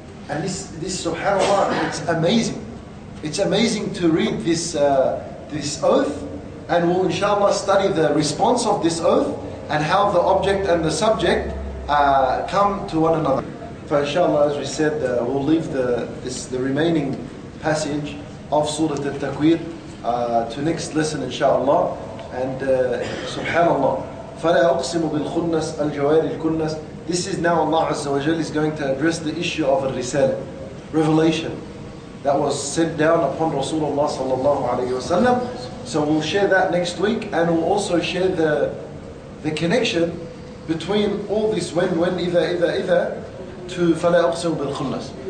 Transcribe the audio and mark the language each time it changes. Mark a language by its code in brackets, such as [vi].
[en] And this subhanallah, it's amazing. It's amazing to read this oath, and we'll inshallah study the response of this oath and how the object and the subject come to one another. For inshallah, as we said, we'll leave the remaining passage of Surah Al-Takwir to next lesson, inshallah. And [ar] subhanallah, فَلَا أُقْسِمُ بِالْخُنَّسِ أَلْجَوَارِ الْكُنَّسِ. [en] This is now Allah Azza wa Jal is going to address the issue of al-risal, revelation, that was sent down upon Rasulullah sallallahu alayhi wa sallam. So we'll share that next week, and we'll also share the connection between all this when, either, to [ar] فَلَا أُقْسِمُ بِالْخُنَّسِ.